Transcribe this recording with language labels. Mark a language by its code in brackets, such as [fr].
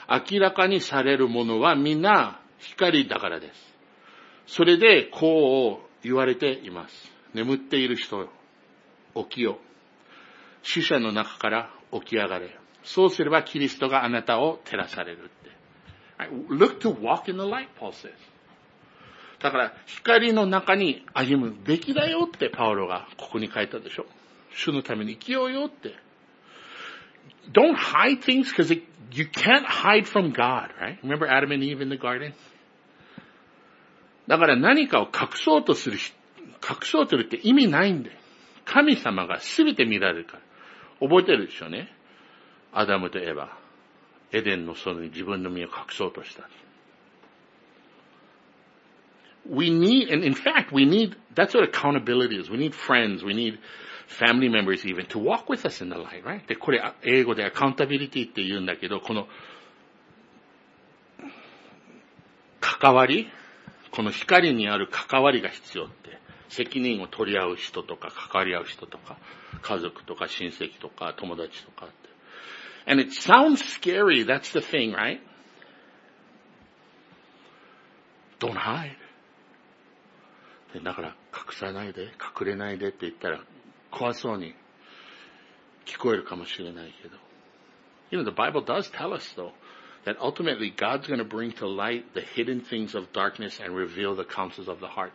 [ja] 明らかにされるものは皆光だからです。それでこう言われています。眠っている人、起きよ。死者の中から起き上がれ。そうすればキリストがあなたを照らされる。 [en] Look to walk in the light, Paul says. [ja] だから光の中に歩むべきだよってパウロがここに書いたでしょ。主のために生きようよって。 [en] Don't hide things because you can't hide from God, right? Remember Adam and Eve in the garden? [ja] だから何かを隠そうとするって意味ないんで。神様がすべて見られるから。覚えてるでしょうね。アダムとエヴァ。エデンの園に自分の身を隠そうとした。 [en] We need, and in fact, we need, that's what accountability is. We need friends, we need family members even to walk with us in the light, right? [ja] で、これ英語でアカウンタビリティって言うんだけど、この、関わり、この光にある関わりが必要って、責任を取り合う人とか、関わり合う人とか、家族とか親戚とか友達とかって。 [en] And it sounds scary, that's the thing, right? Don't hide. [ja] だから隠さないで隠れないでって言ったら怖そうに聞こえるかもしれないけど、 [en] You know the Bible does tell us though that ultimately God's going to bring to light the hidden things of darkness and reveal the counsels of the heart.